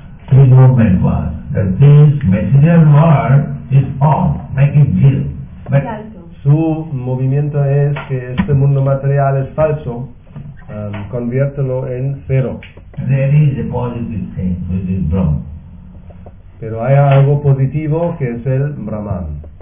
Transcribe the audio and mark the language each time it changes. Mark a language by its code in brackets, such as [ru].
[en] The movement was that this material world is all, make it real. But [es] su movimiento es que este mundo material es falso, conviértelo en cero. [en] There is a positive thing, which is Brahma. [es] Pero hay algo positivo que es el Brahman.